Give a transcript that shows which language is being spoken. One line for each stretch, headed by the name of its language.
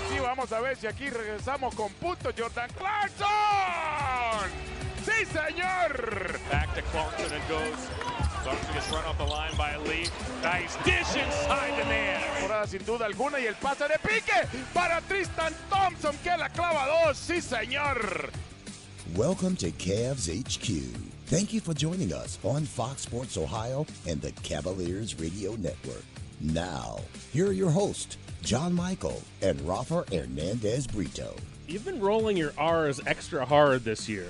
Spanish: Sí, vamos a ver si aquí regresamos con punto Jordan Clarkson. Sí, señor.
English: Back to Clarkson and goes. Clarkson gets run off the line by Lee. Nice dish inside the man.
Spanish: Temporada sin duda alguna y el pase de pique para Tristan Thompson que la clava dos. Sí, señor.
English: Welcome to Cavs HQ. Thank you for joining us on Fox Sports Ohio and the Cavaliers Radio Network. Now, here are your hosts, John Michael and Rafa Hernandez Brito. You've been rolling your R's extra hard this year.